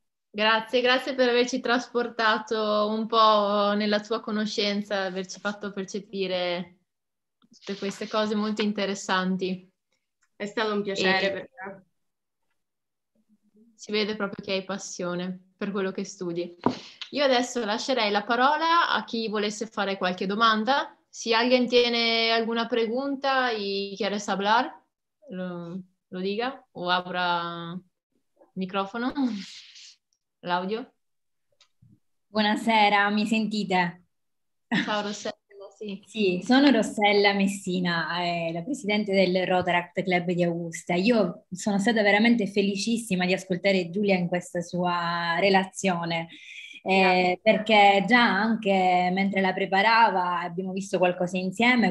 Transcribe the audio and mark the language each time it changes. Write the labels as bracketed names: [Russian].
[Italian] Grazie per averci trasportato un po' nella tua conoscenza, averci fatto percepire tutte queste cose molto interessanti. È stato un piacere E per me. si vede proprio che hai passione per quello che studi. Io adesso lascerei la parola a chi volesse fare qualche domanda. [Spanish] Se alguien tiene alguna pregunta y quieres hablar, lo diga [Italian] o apra il microfono, l'audio. Buonasera, mi sentite? Ciao Rossella, sì. Sì, sono Rossella Messina, la presidente del Rotaract Club di Augusta. Io sono stata veramente felicissima di ascoltare Giulia in questa sua relazione, Grazie. perché già anche mentre la preparava abbiamo visto qualcosa insieme.